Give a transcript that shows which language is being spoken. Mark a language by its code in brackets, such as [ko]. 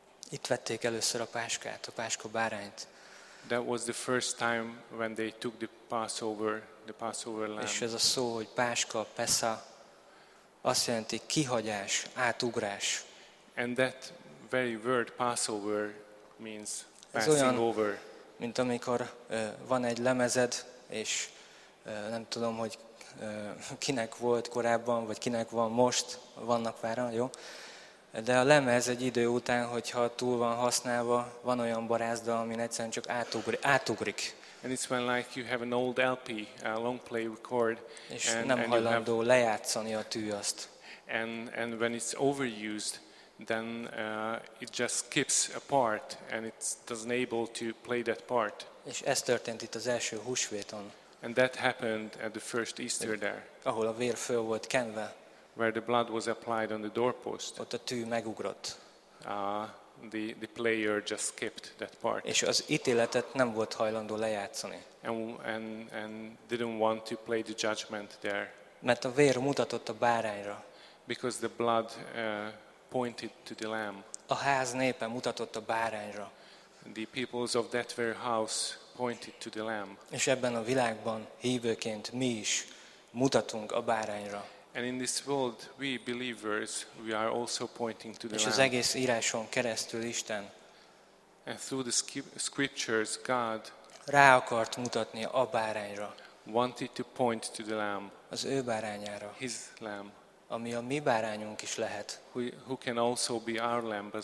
[hu] Itt vették először a páskát, a páska bárányt. [en] That was the first time when they took the Passover lamb. [hu] És ez a szó, hogy páska, pesza, azt jelenti kihagyás, átugrás. [en] And that very word Passover means passing olyan, over. [hu] Mint amikor van egy lemezed, és nem tudom, hogy kinek volt korábban, vagy kinek van most, vannak várva, jó? De a lemez egy idő után, hogyha túl van használva, van olyan barázda, ami egyszerűen csak átugrik. [en] And it's when like you have an old LP, a long play record, [hu] és nem hajlandó lejátszani a tű azt. [en] And when it's overused, then it just skips a part, and it doesn't able to play that part. [hu] És ez történt itt az első húsvéton. [en] And that happened at the first Easter there. [hu] Ahol a vér föl volt kenve. [en] Where the blood was applied on the doorpost. [hu] Ott a tű megugrott. [en] The player just skipped that part. [hu] És az ítéletet nem volt hajlandó lejátszani. [en] And didn't want to play the judgment there. [hu] Mert a vér mutatott a bárányra. [en] Because the blood pointed to the lamb. [hu] A ház népe mutatott a bárányra. [en] The peoples of that very house pointed to the lamb. [hu] És ebben a világban hívőként mi is mutatunk a bárányra. [en] And in this world we believers we are also pointing to the [hu] lamb. És az egész íráson keresztül Isten. [en] And through the scriptures God [hu] rá akart mutatni a bárányra. [en] Wanted to point to the lamb. [hu] Az ő bárányára. [en] His lamb. [hu] Ami a mi bárányunk is lehet. [en] Who can also be our lamb as